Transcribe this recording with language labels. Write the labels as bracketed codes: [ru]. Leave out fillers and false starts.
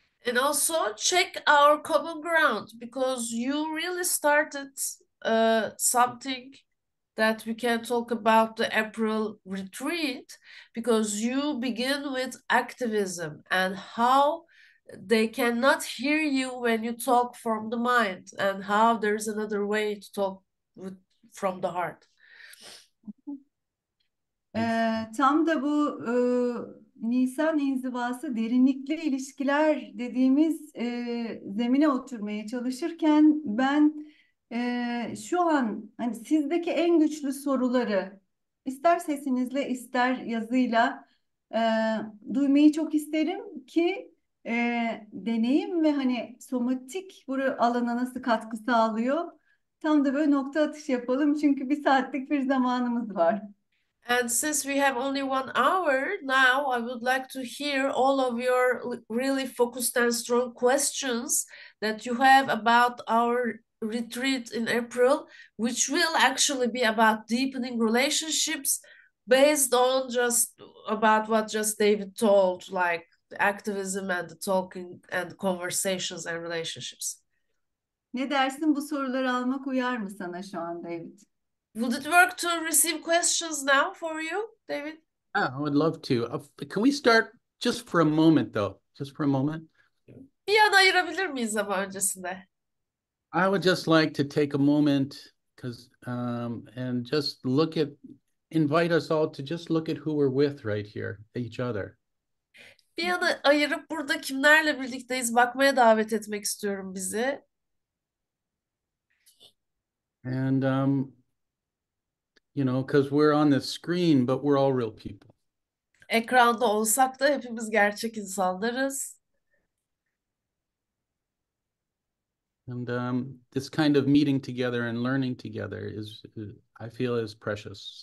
[en] And also check our common ground because you really started something that we can talk about the April retreat because you begin with activism and how they cannot hear you when you talk from the mind and how there is another way to talk from the heart. [tr] Tam da bu Nisan inzivası derinlikli ilişkiler dediğimiz zemine oturmaya çalışırken ben şu an hani sizdeki en güçlü soruları ister sesinizle ister yazıyla duymayı çok isterim ki deneyim ve hani somatik bu alana nasıl katkı sağlıyor? Tam da böyle nokta atışı yapalım çünkü bir saatlik bir zamanımız var. [en] And since we have only 1 hour now, I would like to hear all of your really focused and strong questions that you have about our retreat in April, which will actually be about deepening relationships based on just about what just David told, like the activism and the talking and conversations and relationships. [tr] Ne dersin, bu soruları almak uyar mı sana şu an David? [en] Would it work to receive questions now for you, David? Yeah, I would love to. Can we start just for a moment, though? Just for a moment. [tr] Ayırabilir miyiz ama öncesinde? [en] I would just like to take a moment, because and just look at, invite us all to just look at who we're with right here, each other. [tr] Bir anı ayırıp burada kimlerle birlikteyiz bakmaya davet etmek istiyorum bizi. [en] And because we're on the screen, but we're all real people. [tr] Ekranda olsak da hepimiz gerçek insanlarız. [en] And this kind of meeting together and learning together is, I feel, is precious.